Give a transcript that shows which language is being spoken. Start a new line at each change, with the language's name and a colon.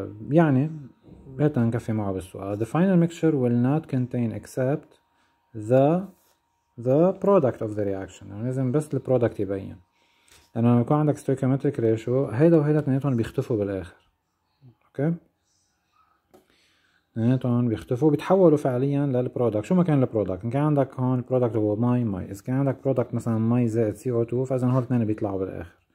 Arabic: يعني بيتا نكفي معه بالسؤال.
English: The final mixture will not contain except the product of the reaction.
Arabic: يعني لازم بس البرودكت يبين، لأنه لما يكون عندك stoichiometric ratio هيدا وهيدا اتنيتهم بيختفوا بالآخر. اوكي، اتنيتهم بيختفوا، بيتحولوا فعليا للبرودكت. شو ما كان البرودكت، ان كان عندك هون البرودكت هو ماي ماي، اذا كان عندك برودكت مثلا ماي زائد CO2، فاذا هول اتنين بيطلعوا بالآخر.